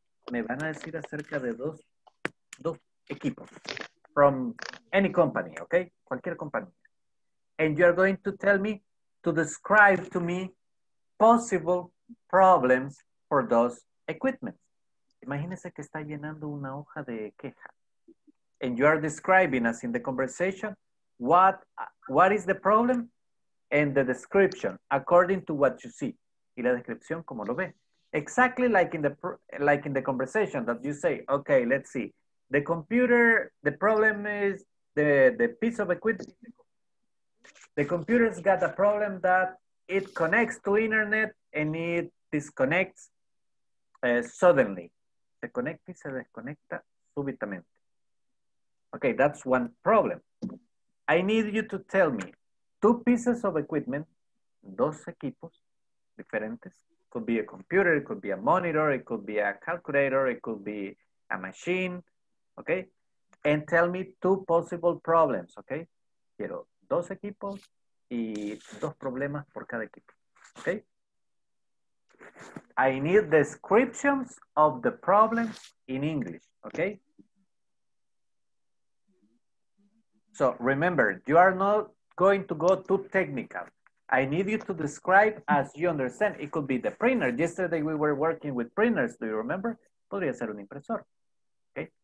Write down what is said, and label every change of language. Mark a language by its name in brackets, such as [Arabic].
[Spanish] Me van a decir acerca de dos equipos [English] from any company, [Spanish] okay? Cualquier compañía. [English] And you're going to tell me to describe to me possible problems for those equipment. [Spanish] Imagínense que está llenando una hoja de queja. [English] And you are describing us in the conversation what is the problem and the description according to what you see. [Spanish] Y la descripción como lo ve. [English] Exactly like in the conversation that you say, okay, let's see. The computer, the problem is the piece of equipment. The computer's got a problem that it connects to internet and it disconnects suddenly. [Spanish] Se conecta y se desconecta súbitamente. [English] Okay, that's one problem. I need you to tell me two pieces of equipment, [Spanish] dos equipos diferentes. [English] Could be a computer, it could be a monitor, it could be a calculator, it could be a machine, okay? And tell me two possible problems, okay? [Spanish] Quiero dos equipos y dos problemas por cada equipo, okay? [English] I need descriptions of the problem in English, okay? So remember, you are not going to go too technical. I need you to describe as you understand. It could be the printer. Yesterday we were working with printers. Do you remember? [Spanish] Podría ser un impresor. [English] Okay.